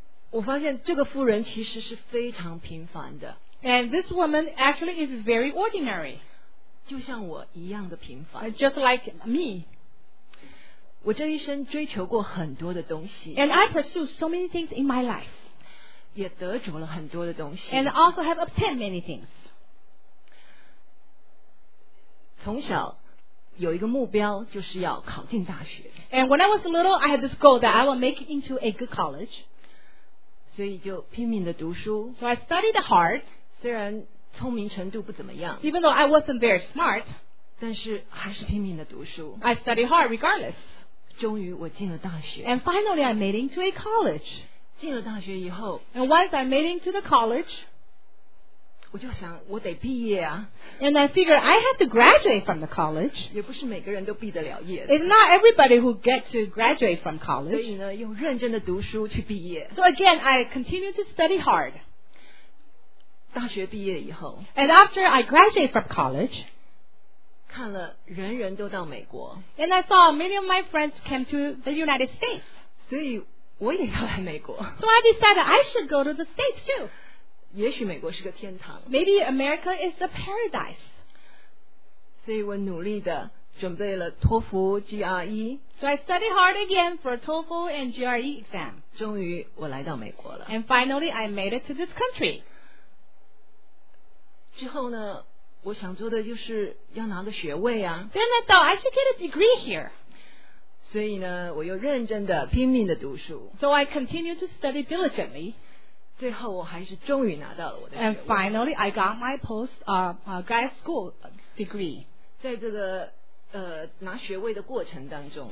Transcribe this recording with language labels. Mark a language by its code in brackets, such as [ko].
[zh] 我发现这个妇人其实是非常平凡的。 [en] And this woman actually is very ordinary. [zh] 就像我一样的平凡。 [en] Just like me. [zh] 我这一生追求过很多的东西。 [en] And I pursue so many things in my life. [zh] 也得着了很多的东西。 [en] And also have obtained many things. [zh] 从小有一个目标就是要考进大学。 [en] And when I was little, I had this goal that I will make it into a good college. [zh] 所以就拼命的读书。 [en] So I studied hard. [zh] 虽然聪明程度不怎么样。 [en] Even though I wasn't very smart. [zh] 但是还是拼命的读书。 [en] I studied hard regardless. [zh] 终于我进了大学。 [en] And finally I made it into a college. [zh] 进了大学以后。 [en] And once I made it into the college. [zh] 我就想我得毕业啊。 [en] And I figured I had to graduate from the college. [zh] 也不是每个人都毕得了业的。 [en] It's not everybody who gets to graduate from college. [zh] 所以呢用认真的读书去毕业。 [en] So again, I continue to study hard. [zh] 大学毕业以后。 [en] And after I graduate from college. [zh] 看了人人都到美国。 [en] And I saw many of my friends came to the United States. [zh] 所以我也要来美国。 [en] So I decided I should go to the States too. [zh] 也许美国是个天堂。 [en] Maybe America is a paradise. [zh] 所以我努力地准备了托福 GRE. [en] So I studied hard again for TOEFL and GRE exam. [zh] 终于我来到美国了。 [en] And finally, I made it to this country. [zh] 之后呢，我想做的就是要拿个学位啊。 [en] Then I thought I should get a degree here. [zh] 所以呢，我又认真地拼命地读书。 [en] So I continue to study diligently. [zh] 最后我还是终于拿到了我的学位。 [en] And finally, I got my post grad school degree. [zh] 在这个拿学位的过程当中。